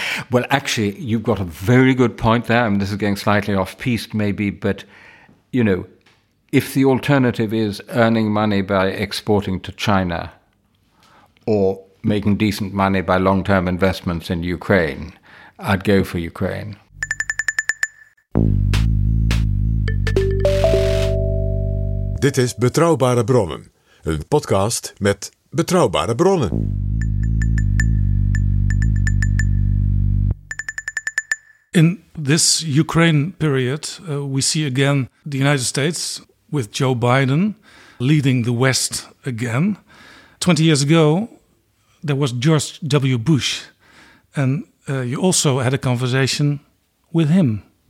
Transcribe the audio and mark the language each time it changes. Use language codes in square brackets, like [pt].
[en] Well, actually, you've got a very good point there. I mean, this is getting slightly off-piste maybe, but, you know, if the alternative is earning money by exporting to China or making decent money by long-term investments in Ukraine, I'd go for Ukraine. [nl] Dit is Betrouwbare Bronnen, een podcast met betrouwbare bronnen. [en] In this Ukraine period, we see again the United States with Joe Biden leading the West again. 20 years ago, there was George W. Bush. And you also had a conversation with him.